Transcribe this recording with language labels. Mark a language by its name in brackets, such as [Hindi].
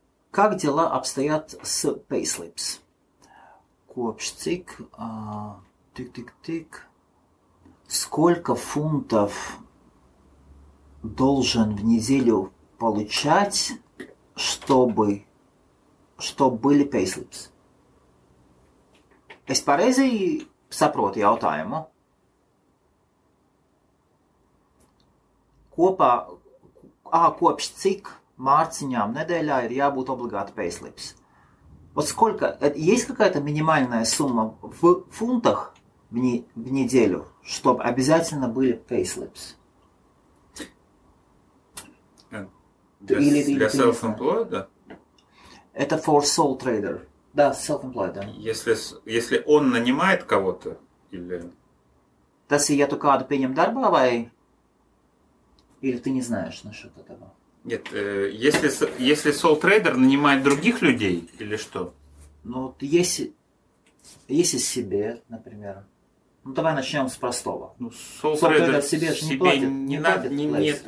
[Russian] Как дела обстоят с Payslips? Копчик, тык-тык-тык. Сколько фунтов должен в неделю получать, чтобы были Payslips? [Latvian] Es pareizi saprotu jautājumu. Kopā, kopš cik mārciņām nedēļā ir jābūt obligāti payslips? [Russian] Вот сколько, есть какая-то минимальная сумма в фунтах в неделю, чтобы обязательно были payslips? Для self-employed? Это for sole trader. Да, self-employed. Да. Если он нанимает кого-то, или... [Latvian] Tas ir, ja tu kādu pieņem darbā, vai... [Russian] Или ты не знаешь насчет этого? Нет, если sole trader нанимает других людей, или что? Ну, если себе, например... Ну, давай начнем с простого. Ну, sole trader себе не платит.